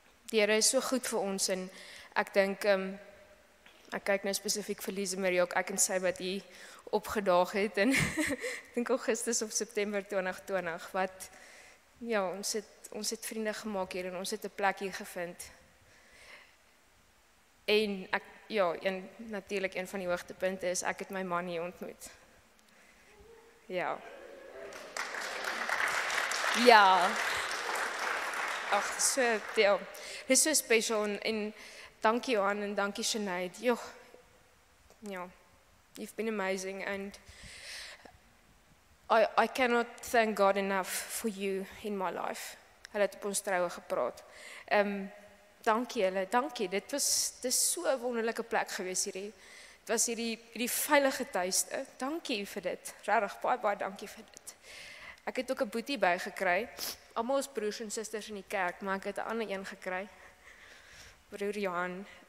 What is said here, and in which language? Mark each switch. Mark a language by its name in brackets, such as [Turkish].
[Afrikaans] Die Here is so goed vir ons, en ek dink, ek kyk nou spesifiek vir Lise Marie, ek en sy wat hier opgedaag het in ek dink Augustus of September 2020, wat ja, ons het vriende gemaak hier en ons het 'n plek hier gevind. En ek ja, en natuurlik een van die hoogtepunte is ek het my man hier ontmoet. Ja. Ja. Ach, so ja, dis so special en dankie Johan en dankie Sinead. Joh. Ja. [English] You've been amazing, and I cannot thank God enough for you in my life. [Afrikaans] Hulle het op ons troue gepraat. Dankie hulle, dankie. Dit is so 'n wonderlike plek gewees hierdie. Dit was hierdie veilige tuiste. Dankie vir dit. Regtig, baie, baie dankie vir dit. Ek het ook 'n boetie bygekry. Almal ons broers en susters in die kerk, maar ek het 'n ander een gekry. Broer Johan.